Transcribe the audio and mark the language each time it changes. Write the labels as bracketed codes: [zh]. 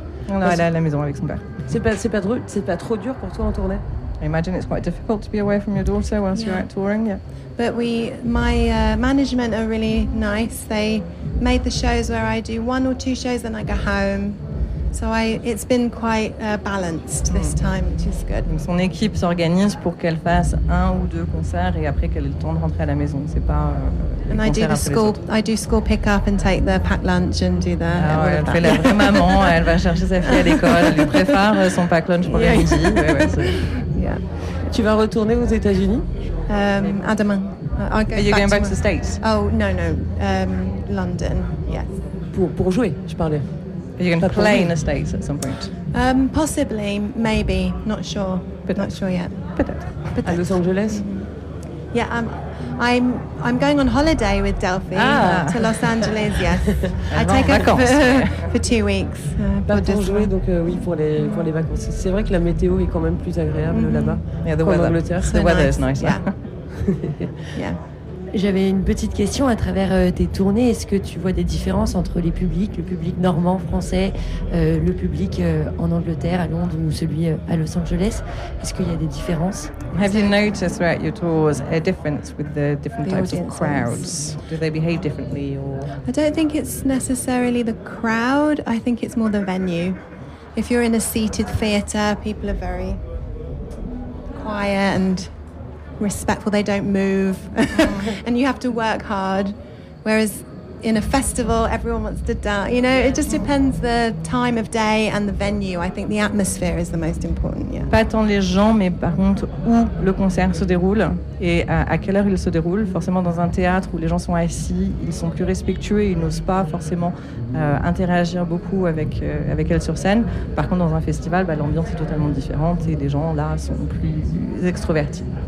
[fr] Elle est à la maison avec son père. C'est pas trop dur pour toi en tournée? [en] I imagine it's quite difficult to be away from your daughter whilst you're out touring. Yeah, but my management are really nice. They made the shows where I do one or two shows and I go home. So it's been quite balanced this time, which is good. [fr] Donc son équipe s'organise pour qu'elle fasse un ou deux concerts et après qu'elle ait le temps de rentrer à la maison. C'est pas. [en] And I do the school. I do school pick up and take the packed lunch and do the. [fr] Ah ouais, elle fait la vraie maman. Elle va chercher sa fille à l'école. Elle lui prépare son packed lunch pour le midi. Ouais, yeah. Tu vas retourner aux États-Unis? Demain. [en] Are you going back to the States? Oh no no, London. Yes. [fr] Pour jouer, je parlais. [en] Are you going to play in the States at some point? Possibly, maybe, not sure. [fr] Peut-être. [en] Not sure yet. [fr] Peut-être. À Los Angeles? Mm-hmm. [en] Yeah, I'm going on holiday with Delphi to Los Angeles. Yes, I take her for 2 weeks. [fr] Pour les vacances. C'est vrai que la météo est quand même plus agréable là-bas. [en] Yeah, the weather. [fr] Angleterre. [en] The weather is nice. [fr] J'avais une petite question à travers tes tournées. Est-ce que tu vois des différences entre les publics, le public normand, français, le public en Angleterre, à Londres ou celui à Los Angeles? Est-ce qu'il y a des différences? [en] Have you noticed throughout your tours a difference with the different types of crowds? Do they behave differently or? I don't think it's necessarily the crowd. I think it's more the venue. If you're in a seated theatre, people are very quiet and respectful, they don't move and you have to work hard, whereas in a festival everyone wants to dance, you know. It just depends the time of day and the venue. I think the atmosphere is the most important. Yeah, [fr] pas tant les gens mais par contre où le concert se déroule et à quelle heure il se déroule. Forcément dans un théâtre où les gens sont assis, ils sont plus respectueux, ils n'osent pas forcément interagir beaucoup avec elle sur scène. Par contre dans un festival, bah, l'ambiance est totalement différente et les gens là sont plus extrovertis.